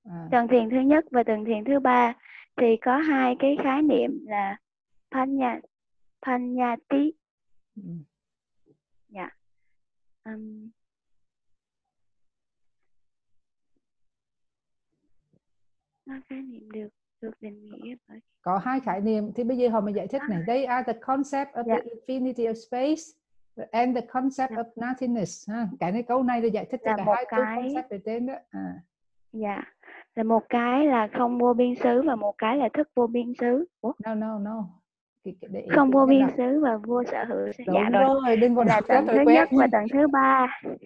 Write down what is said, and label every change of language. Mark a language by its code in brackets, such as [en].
[vi] Tầng thiền thứ nhất và tầng thiền thứ ba thì có hai cái khái niệm là Panyati. Dạ. Nó khái niệm được định nghĩa bởi. Có hai khái niệm thì bây giờ họ mới giải thích này. [en] They are the concept of the infinity of space and the concept of nothingness. [vi] Cái này câu này là giải thích cho cả hai cái concept ở trên đó. Là một cái là không vô biên xứ và một cái là thức vô biên xứ. [en] No. [vi] Không vô biên xứ và vô sở hữu. Đúng dạ rồi, đừng còn đọc cái tầng thứ quét nhất và tầng thứ ba.